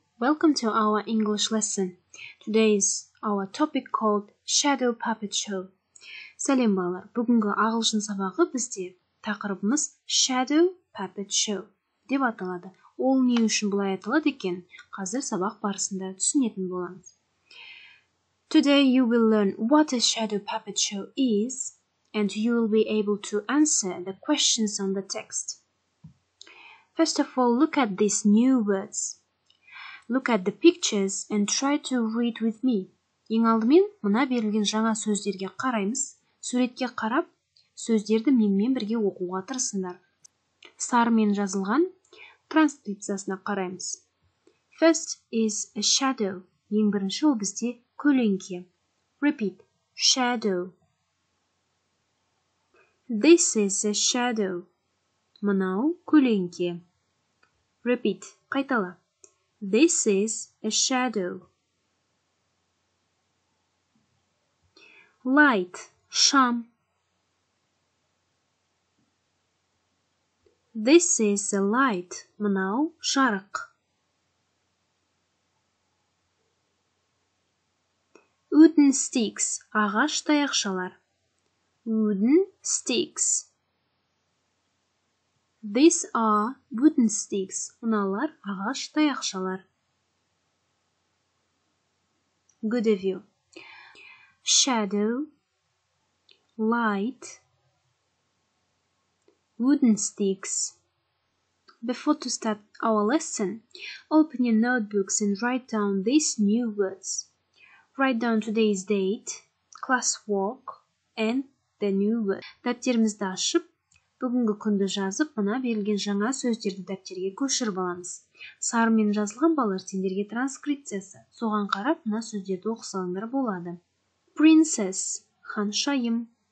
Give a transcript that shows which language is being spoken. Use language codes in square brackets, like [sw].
[en] Welcome to our English lesson. Today is our topic called Shadow Puppet Show. [kk] Сәлем, балалар. Бүгінгі ағылшын сабағы бізде тақырыбымыз Shadow Puppet Show деп аталады. Ол не үшін бұлай аталады екен? Қазір сабақ барысында түсінетін боламыз. [en] Today you will learn what a shadow puppet show is and you will be able to answer the questions on the text. First of all, look at these new words. Look at the pictures and try to read with me. [kk] Ең алдымен, мына берілген жаңа сөздерге қараймыз. Суретке қарап, сөздерді менімен бірге оқуға тырысыңдар. Сарымен жазылған транскрипциясына қараймыз. [en] First is a shadow. [kk] Ең бірінші ол бізде көлеңке. [en] Repeat. Shadow. This is a shadow. [kk] Мынау көлеңке. [en] Repeat. [kk] Қайтала. [en] This is a shadow. Light, [kk] шам. [en] This is a light. [kk] Мынау жарық. [en] Wooden sticks, [kk] ағаш таяқшалар. [en] Wooden sticks. These are wooden sticks. [kk] Мыналар ағаш таяқшалар. [en] Good of you. Shadow, light, wooden sticks. Before to start our lesson, open your notebooks and write down these new words. Write down today's date, class walk, and the new word. [kk] Дәптерімізді ашып, бүгінгі күнді жазып, мына берілген жаңа сөздерді дәптерге көшіріп аламыз. Сарымен жазылған балалар сендерге транскрипциясы. Соған қарап, мына сөздерді оқысаңдар болады. [en] Princess, [kk] ханшайым.